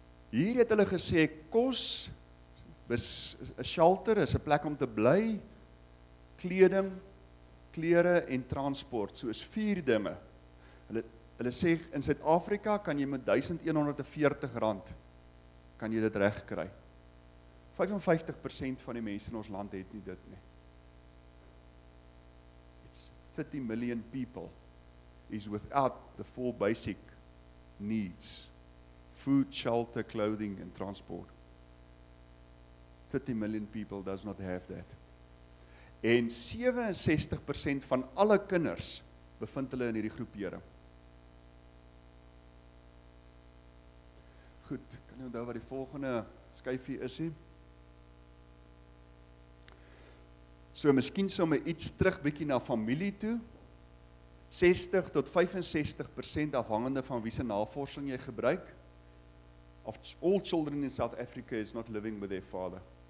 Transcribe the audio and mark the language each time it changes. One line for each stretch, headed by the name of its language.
Afrikaans: Hier het hulle gesê kos is 'n shelter, is 'n plek om te bly, kleding, klere en transport, soos vier dinge. Hulle sê in Suid-Afrika kan jy met R1140 kan jy dit regkry. 55% van die mense in ons land het nie dit nie.
English: It's 30 million people is without the four basic needs. Food, shelter, clothing and transport. 30 million people does not have that.
Afrikaans: En 67% van alle kinders bevind hulle in hierdie groepering. Goed, kan jy onthou wat die volgende skyfie is hier? So, miskien somme iets terug bietjie na familie toe. 60 tot 65% afhangende van wie se navorsing jy gebruik.
English: Of all children in South Africa is not living with their father.